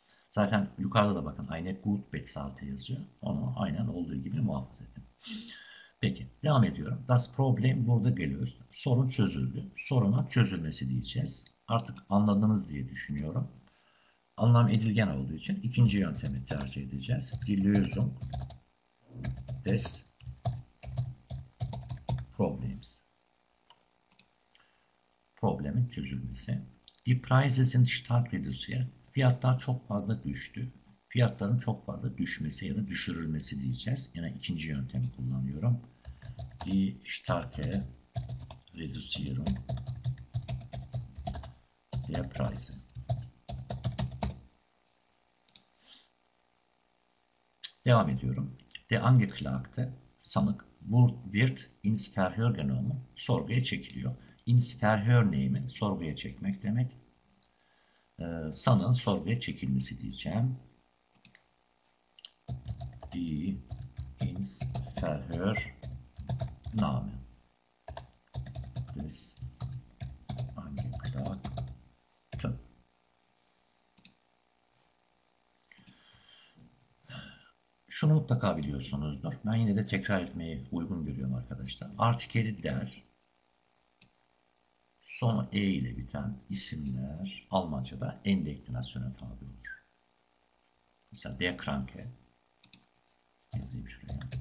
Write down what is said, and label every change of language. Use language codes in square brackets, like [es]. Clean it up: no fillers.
[tr] Zaten yukarıda da bakın aynı gut Bezahlt'ı yazıyor. Onu aynen olduğu gibi muhafaza edin. Peki devam ediyorum. [de] Das Problem [tr] burada geliyoruz. Sorun çözüldü. Sorunun çözülmesi diyeceğiz. Artık anladınız diye düşünüyorum. Anlam edilgen olduğu için ikinci yöntemi tercih edeceğiz. [de] Die Lösung des Problems. [tr] Problemin çözülmesi. [de] Die Preise sind stark reduziert. [tr] Fiyatlar çok fazla düştü. Fiyatların çok fazla düşmesi ya da düşürülmesi diyeceğiz. Yine yani ikinci yöntemi kullanıyorum. [de] Die starke Reduzierung der Preise. [tr] Devam ediyorum. [de] Der Angeklagte, sanık, wird ins Verhör genommen, [tr] sorguya çekiliyor. Ins Verhör ne mi? Sorguya çekmek demek. Sanığın sorguya çekilmesi diyeceğim. [de] Die ins Verhörnahme des Angeklagten. [tr] Şunu mutlaka biliyorsunuzdur. Ben yine de tekrar etmeyi uygun görüyorum arkadaşlar. Artikeli der. Sonu e ile biten isimler Almanca'da endeklinasyona tabi olur. Mesela der Kranke. Yazayım şuraya.